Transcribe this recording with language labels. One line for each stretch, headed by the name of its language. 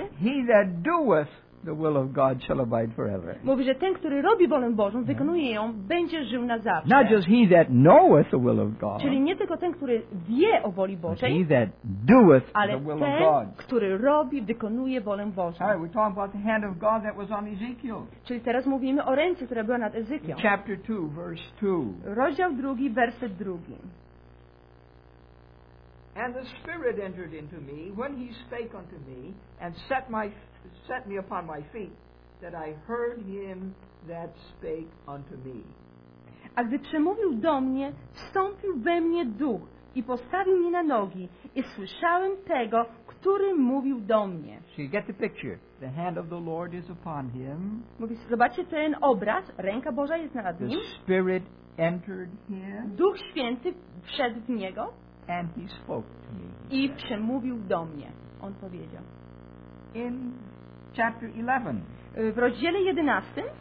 English: He that doeth the will of God shall abide forever.
Polish: Mówi, że ten, który robi wolę Bożą, wykonuje ją, będzie żył na zawsze.
English: Not just he that knoweth the will of God.
Polish: Czyli nie tylko ten, który wie o woli Bożej.
English: He that doeth the will
Polish: ten,
English: of God.
Polish: Ale ten, który robi, wykonuje wolę Bożą.
English: All right, we're talking about the hand of God that was on Ezekiel.
Polish: Czyli teraz mówimy o ręce, która była nad Ezekiel.
English: Chapter 2, verse 2.
Polish: Rozdział 2, werset 2.
English: And the Spirit entered into me when he spake unto me and set me upon my feet, that I heard him that spake unto me.
Polish: A gdy przemówił do mnie, wstąpił we mnie duch i postawił mnie na nogi, i słyszałem tego, który mówił do mnie.
English: So you get the picture. The hand of the Lord is upon him.
Polish: Mówi, zobaczcie ten obraz. Ręka Boża jest nad nim.
English: The Spirit entered him.
Polish: Duch Święty wszedł w niego.
English: And he spoke to me.
Polish: I przemówił do mnie. On powiedział.
English: In chapter 11.
Polish: W rozdziale 11.